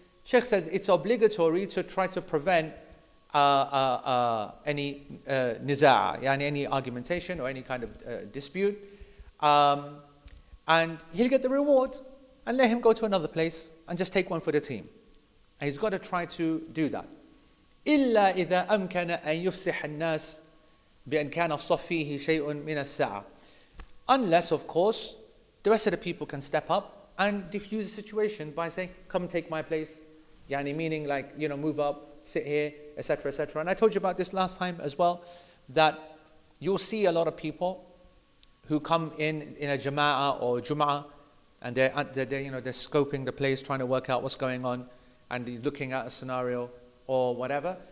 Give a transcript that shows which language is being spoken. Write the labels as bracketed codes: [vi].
[en] Sheikh says it's obligatory to try to prevent any nizaa, yani any argumentation or any kind of dispute, and he'll get the reward, and let him go to another place and just take one for the team. And he's got to try to do that. [ar] إلا إذا أمكن أن يفسح الناس بأن كان الصف فيه شيء من الساعة. [en] Unless, of course, the rest of the people can step up and diffuse the situation by saying, come take my place. Yani, meaning like, you know, move up, sit here, etc., etc. And I told you about this last time as well, that you'll see a lot of people who come in a jama'ah or jum'ah, and they're scoping the place, trying to work out what's going on, and looking at a scenario or whatever.